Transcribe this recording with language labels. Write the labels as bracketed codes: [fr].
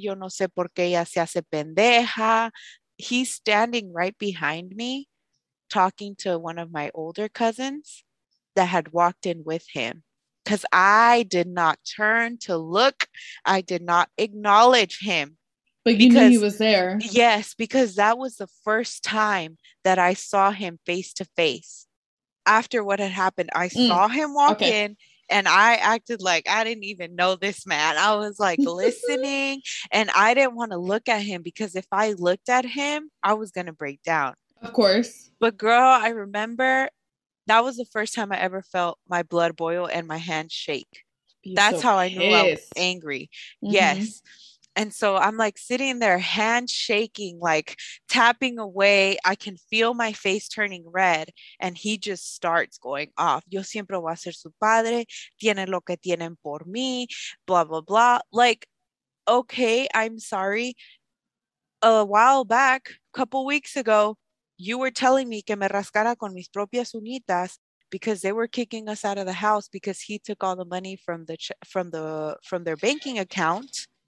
[es] Yo no sé por qué ella se hace pendeja. [en] He's standing right behind me, talking to one of my older cousins that had walked in with him. Because I did not turn to look. I did not acknowledge him. But because, you knew he was there. Yes, because that was the first time that I saw him face to face. After what had happened, I saw him walk in. And I acted like I didn't even know this man. I was like listening, and I didn't want to look at him, because if I looked at him, I was going to break down. Of course. But girl, I remember that was the first time I ever felt my blood boil and my hands shake. Be That's so how pissed. I knew I was angry. Mm-hmm. Yes. And so I'm like sitting there, hand shaking, like tapping away. I can feel my face turning red. And he just starts going off. [es] Yo siempre voy a ser su padre. Tienen lo que tienen por mí. [en] Blah, blah, blah. Like, okay, I'm sorry. A while back, a couple weeks ago, you were telling me [es] que me rascara con mis propias uñitas [en] because they were kicking us out of the house because he took all the money from their banking account.